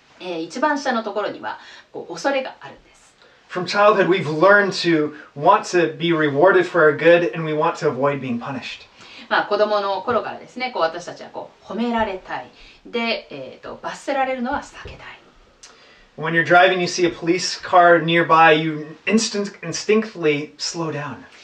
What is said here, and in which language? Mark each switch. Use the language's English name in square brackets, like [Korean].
[Japanese] 一番下のところにはこう恐れがあるんです。 [English] From childhood, we've learned to want to be rewarded for our good and we want to avoid being punished. [Japanese] まあ子供の頃からですね、こう私たちはこう褒められたい。で、罰せられるのは避けたい。 [English] When you're driving, you see a police car nearby, you instinctively slow down.